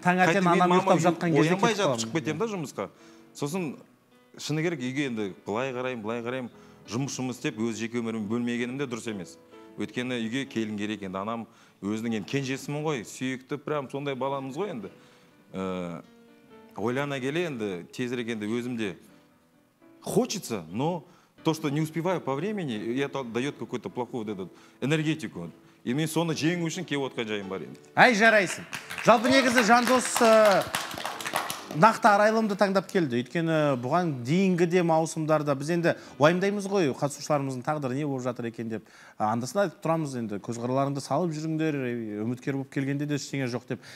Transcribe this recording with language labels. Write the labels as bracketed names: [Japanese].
[Kazakh] таңертең анам ұйықтап жатқан кезде кетіп қалам. Сосын, шыны керек, үйге енді, бұлай қарайым, жұмысымыз деп өз жеке өмірім бөлмегенім де дұрыс емес. Өйткені үйге келін керек енді анам өзінің енді кенжесімін ғой, сүйікті прям сондай баламыз ғой енді. Ойлана келе енді тезірек енді өзімде [Russian] хочется, но то, что не успеваю по времени, это дает какую-то плохую вот эту энергетику. И мне [Kazakh] соны жеңу үшін кеп отқан жайым бар енді. Ай, жарайсың. Жалпы негізі Жандос нақты арайлымды таңдап келді. Өйткені бұған дейінгі де маусымдарда біз енді уайымдаймыз ғой, қатысушыларымыздың тағдыры не болып жатыр екен деп. Андасында айтып тұрамыз енді, көзқараларыңды салып жүріңдер, үміткер болып келгенде де ештеңе жоқ деп.